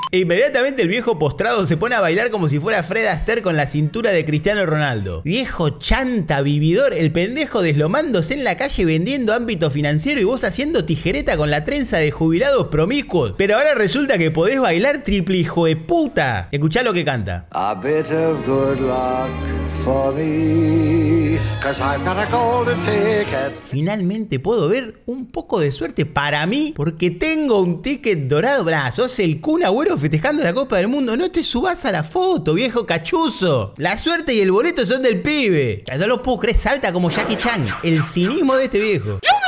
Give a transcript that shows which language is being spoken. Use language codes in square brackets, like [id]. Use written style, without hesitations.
[es] E inmediatamente el viejo postrado se pone a bailar como si fuera Fred Astaire con la cintura de Cristiano Ronaldo. Viejo chanta, vividor, el pendejo deslomándose en la calle vendiendo ámbito financiero y vos haciendo tijereta con la trenza de jubilados promiscuos. Pero ahora resulta que podés bailar triple hijo de puta. Escuchá lo que canta. [en] A bit of good luck for me, 'cause I've got a golden ticket. [es] Finalmente puedo ver un poco de suerte para mí porque tengo un ticket dorado. Bla, sos el Kun Agüero festejando la Copa del Mundo. No te subas a la foto, viejo cachuzo. La suerte y el boleto son del pibe. No lo puedo creer. Salta como Jackie Chan, el cinismo de este viejo.